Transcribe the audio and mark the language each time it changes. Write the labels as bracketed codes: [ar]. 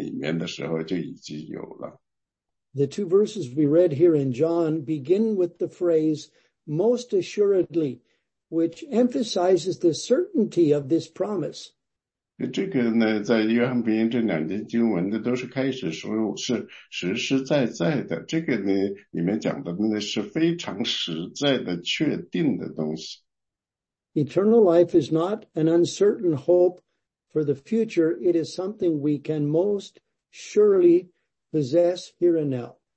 [zh] 这个里面呢,就是永恒的生命呢,它是在今生这个时候呢,它并不是说是在以前什么时候或者将来什么时候东西,是当主耶稣基督来到某个人的生命里面的时候就已经有了。 [en] The two verses we read here in John begin with the phrase, most assuredly, which emphasizes the certainty of this promise. [zh] 这个呢,在约翰福音这两节经文的都是开始说是实实在在的,这个呢,里面讲的那是非常实在的,确定的东西。 [en] Eternal life is not an uncertain hope for the future, it is something we can most surely possess here and now.